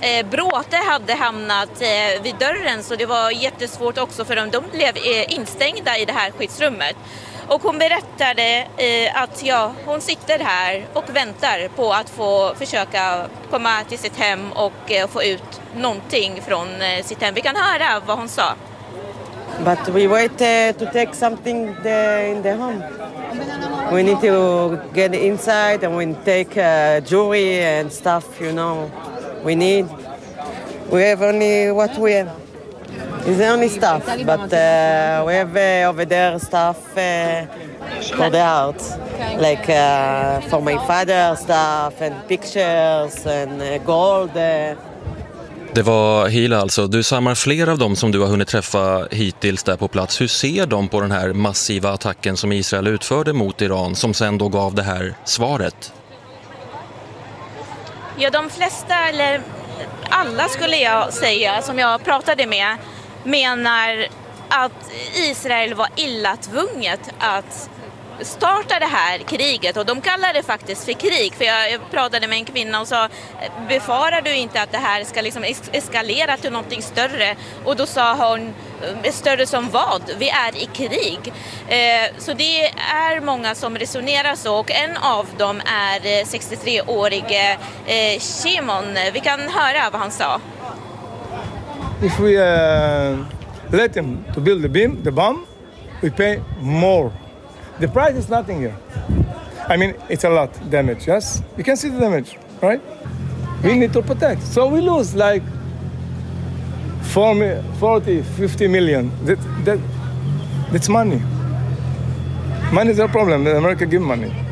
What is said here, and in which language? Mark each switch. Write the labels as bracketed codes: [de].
[sv] bråte hade hamnat vid dörren, så det var jättesvårt också för dem. De blev instängda i det här skyddsrummet. Och hon berättade att ja, hon sitter här och väntar på att få försöka komma till sitt hem och få ut någonting från sitt hem. Vi kan höra vad hon sa. [en] But we wait to take something in the home. We need to get inside and we take jewelry and stuff, you know. We need. We have only what we have. It's the only stuff, but we have over there stuff for the art, like for my father stuff and pictures and gold. [sv] Det var Hila alltså. Du samlar fler av dem som du har hunnit träffa hittills där på plats. Hur ser de på den här massiva attacken som Israel utförde mot Iran, som sen då gav det här svaret? Ja, de flesta, eller alla skulle jag säga, som jag pratade med, menar att Israel var illatvunget att starta det här kriget. Och de kallar det faktiskt för krig. För jag pratade med en kvinna och sa, befarar du inte att det här ska liksom eskalera till någonting större? Och då sa hon, större som vad? Vi är i krig. Så det är många som resonerar så. Och en av dem är 63-årige Shimon. Vi kan höra vad han sa. [en] If we let them to build the beam, the bomb, we pay more. The price is nothing here. I mean, it's a lot damage, yes? You can see the damage, right? We need to protect. So we lose like 40, 50 million. That's money. Money is a problem. America give money.